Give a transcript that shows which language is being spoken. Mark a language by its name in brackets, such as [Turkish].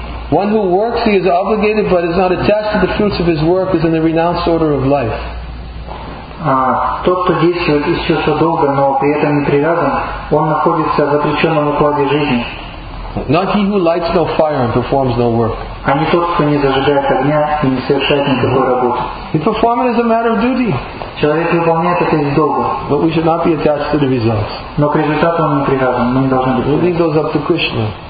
[English] One who works, he is obligated, but is not attached to the fruits of his work, is in the renounced order of life. [Russian] Тот, кто действует из чувства долга, но при этом не привязан, он находится в отреченном укладе жизни. [English] Not he who lights no fire and performs no work. He performs it as a matter of duty. But we should not be attached to the results. We leave those up to Krishna.